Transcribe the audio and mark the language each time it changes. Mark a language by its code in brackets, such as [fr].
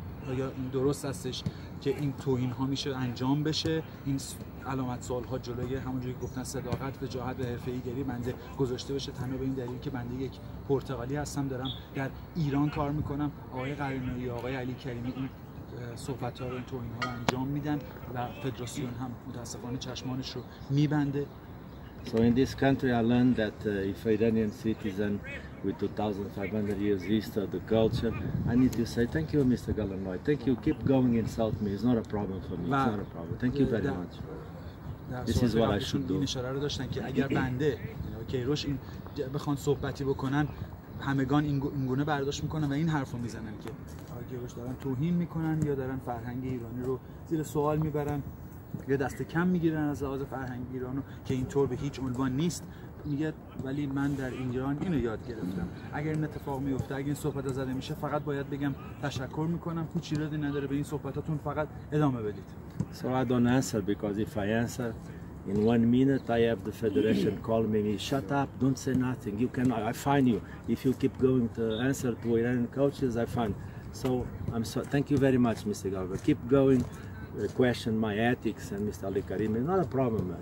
[fa] آیا این درست هستش که این توهین ها میشه انجام بشه؟ این علامت سوال ها جلوی همونجوری که گفتن صداقت، وجاهت و حرفه‌ای‌گری بنده گذاشته بشه، تنها به این دلیل که بنده یک پرتغالی هستم، دارم در ایران کار میکنم. آقای قلعه‌ای، آقای علی کریمی این صحبت‌ها رو، این توهین‌ها رو انجام میدن و فدراسیون هم متأسفانه چشمانش رو می‌بنده. [en] So in this country I learned that if Iranian citizen with 2,500 years history, the culture. I need to say thank you, Mr. Galanoy. Thank you. Keep going and insult me. It's not a problem for me. It's not a problem. Thank you very much. This is what I should do. [fa] اشاره رو داشتن که اگر بنده کیروش این بخوان صحبتی بکنن همگان این گونه برداشت میکنن و این حرفو میزنن که آقای کیروش دارن توهین میکنن یا دارن فرهنگ ایرانی رو زیر سوال میبرن یا دست کم میگیرن از لحاظ فرهنگ ایرانو که اینطور به هیچ عنوان نیست. میگه ولی من در ایران اینو یاد گرفتم. اگر این اتفاق میفته، اگر این صحبت زده میشه، فقط باید بگم تشکر میکنم. هیچ چیزی نداره، به این صحبتاتون فقط ادامه بدید. [en] So I don't answer because if I answer in 1 minute I have the federation calling me, shut up, don't say nothing, you cannot, I fine you. If you keep going to answer to Iranian coaches, I fine. So I'm so thank you very much, Mr. Galva. Keep going. Question my ethics and Mr. Ali Karim. Not a problem.